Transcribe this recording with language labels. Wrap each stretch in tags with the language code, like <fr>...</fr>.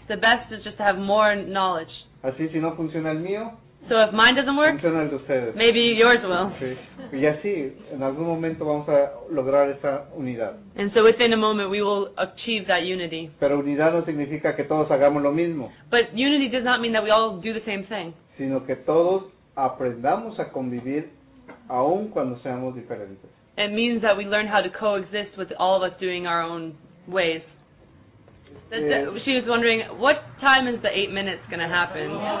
<en>The best is just to have more knowledge.</en> <es>Así si no funciona el mío.</es> <en>So if mine doesn't work, maybe yours will.</en> <es>Y así, en algún momento vamos a lograr esa unidad.</es> <en>And so within a moment we will achieve that unity.</en> <es>Pero unidad no significa que todos hagamos lo mismo.</es> <en>But unity does not mean that we all do the same thing.</en> <es>Sino que todos aprendamos a convivir aun cuando seamos diferentes.</es> <en>It means that we learn how to coexist with all of us doing our own ways. She was wondering, what time is the 8 minutes going to happen?</en>